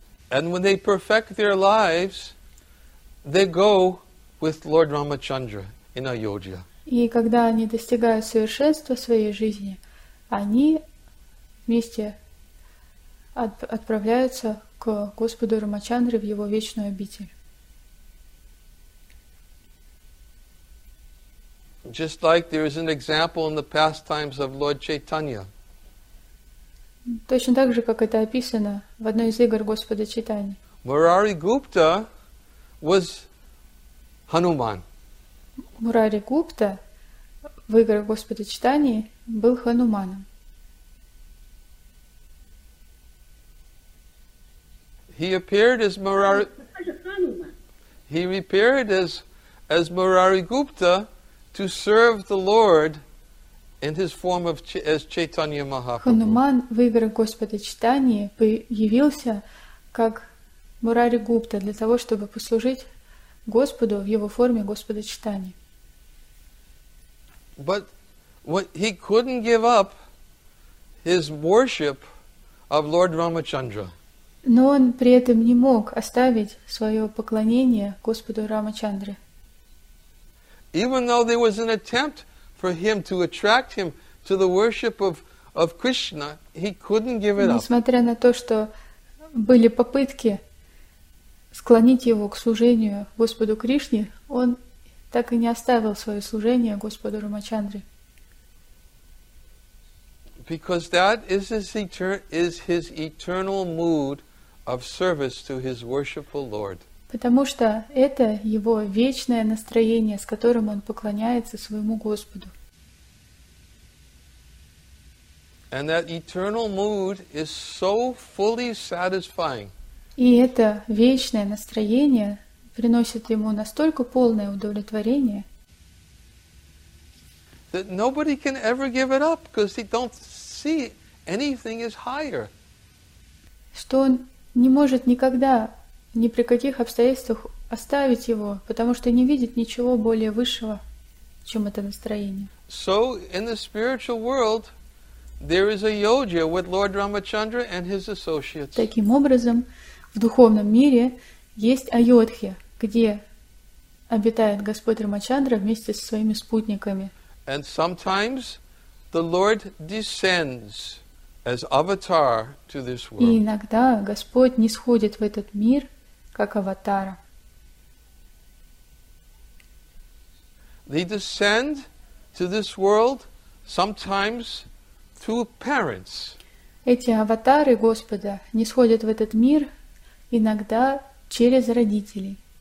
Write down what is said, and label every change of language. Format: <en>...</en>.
<en>And when they perfect their lives, they go with Lord Ramachandra in Ayodhya.</en> <ru>И когда они достигают совершенства своей жизни, они вместе отправляются к Господу Рамачандре в его вечную обитель.</ru> <en>Just like there is an example in the pastimes of Lord Chaitanya.</en> <ru>Точно так же, как это описано в одной из игр Господа Чайтаньи.</ru> <en>Мурари Гупта was Hanuman.</en> <ru>Мурари Гупта в играх Господа Чайтаньи был Хануманом.</ru> <en>He appeared as Murari. He appeared as Murari Gupta to serve the Lord in his form of as Chaitanya Mahaprabhu.</en> <ru>Хануман в играх Господа Чайтаньи появился как Мурари Гупта для того, чтобы послужить Господу в его форме Господа Чайтаньи.</ru> <en>But what he couldn't give up his worship of Lord Ramachandra.</en> <ru>Но он при этом не мог оставить свое поклонение Господу Рамачандре.</ru> <en>Even though there was an attempt for him to attract him to the worship of Krishna, he couldn't give it up.</en> <ru>Несмотря на то, что были попытки склонить его к служению Господу Кришне, он так и не оставил свое служение Господу Рамачандре.</ru> <en>Because that is his eternal mood of service to his worshipful Lord.</en> <ru>Потому что это его вечное настроение, с которым он поклоняется своему Господу.</ru> <en>And that eternal mood is so fully satisfying.</en> <ru>И это вечное настроение приносит ему настолько полное удовлетворение,</ru> <en>that nobody can ever give it up, because they don't see anything is higher.</en> <ru>Что он не может никогда, ни при каких обстоятельствах оставить его, потому что не видит ничего более высшего, чем это настроение.</ru> <en>So in the spiritual world, there is a yoga with Lord Ramachandra and his associates.</en> <ru>Таким образом, в духовном мире есть Айодхья, где обитает Господь Рамачандра вместе со своими спутниками.</ru> <en>And sometimes the Lord descends as avatar to this world.</en> <ru>И иногда Господь нисходит в этот мир как аватара.</ru> <en>They descend to this world sometimes through parents.</en> <ru>Эти аватары Господа нисходят в этот мир иногда через родителей.</ru>